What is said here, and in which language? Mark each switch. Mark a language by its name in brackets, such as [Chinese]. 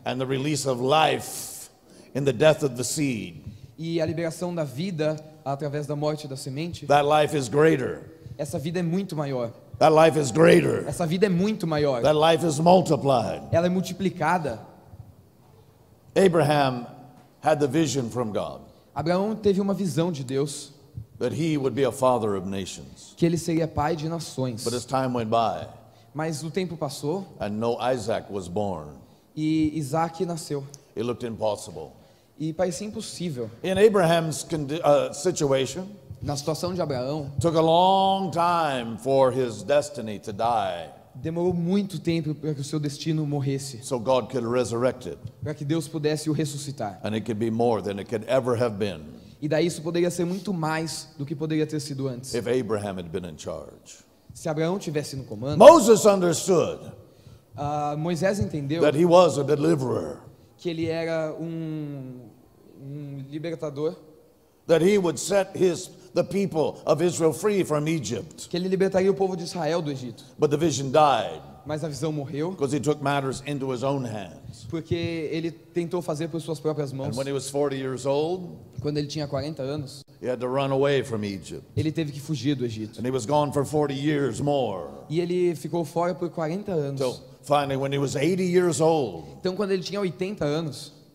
[English] And the release of life in the death of the seed. [Portuguese] E a liberação da vida através da morte da semente. [English] That life is greater. [Portuguese] Essa vida é muito maior. [English] That life is greater. [Portuguese] Essa vida é muito maior. [English] That life is multiplied. [Portuguese] Ela é multiplicada. [English] Abraham had the vision from God. [Portuguese] Abraão teve uma visão de Deus. [English] That he would be a father of nations. [Portuguese] Que ele seria pai de nações. [English] But as time went by. [Portuguese] Mas o tempo passou. [English] And no Isaac was born. [Portuguese] E Isaac nasceu. [English] It looked impossible. [Portuguese] E parecia impossível. [English] In Abraham's situation, [Portuguese] na situação de Abraão, [English] took a long time for his destiny to die. [Portuguese] Demorou muito tempo para que o seu destino morresse. [English] So God could resurrect it. [Portuguese] Para que Deus pudesse o ressuscitar. [English] And it could be more than it could ever have been. [Portuguese] E daí isso poderia ser muito mais do que poderia ter sido antes. [English] If Abraham had been in charge. [Portuguese] Se Abraão tivesse no comando. [English] Moses understood. [Portuguese] Moisés entendeu. [English] That he was a deliverer. [Portuguese] Que ele era um libertador. [English] That he would set the people of Israel free from Egypt. [Portuguese] Que ele libertaria o povo de Israel do Egito. [English] But the vision died. [Portuguese] Mas a visão morreu. [English] Because he took matters into his own hands. [Portuguese] Porque ele tentou fazer por suas próprias mãos. [English] And when he was 40 years old, [Portuguese] quando ele tinha 40 anos, [English] he had to run away from Egypt. [Portuguese] Ele teve que fugir do Egito. [English] And he was gone for 40 years more. [Portuguese] E ele ficou fora por 40 anos. [English] So finally, when he was 80 years old, [Portuguese] então quando ele tinha 80 anos,